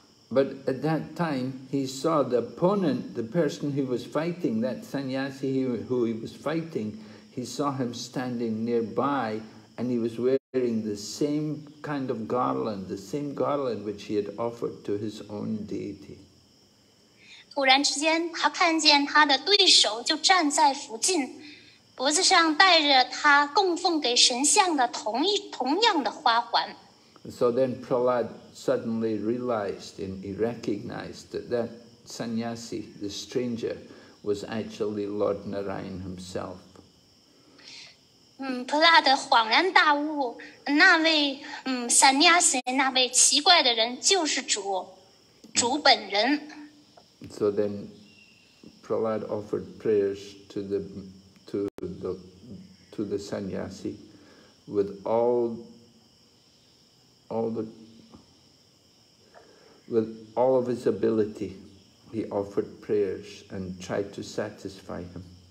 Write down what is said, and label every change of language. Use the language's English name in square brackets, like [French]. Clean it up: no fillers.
[English] But at that time, he saw the opponent, the person he was fighting, that sannyasi who he was fighting, he saw him standing nearby, and he was wearing the same kind of garland, the same garland which he had offered to his own deity. [Chinese] 突然之间,他看见他的对手就站在附近,脖子上戴着他供奉给神像的同样的花环。 [English] So then Prahlad suddenly realized and he recognized that that sannyasi, the stranger, was actually Lord Narayan himself. [Chinese] 普拉德恍然大悟，那位，三尼亚森那位奇怪的人就是主本人。 [English] So then, Prahlad offered prayers to the sannyasi with all of his ability. He offered prayers and tried to satisfy him.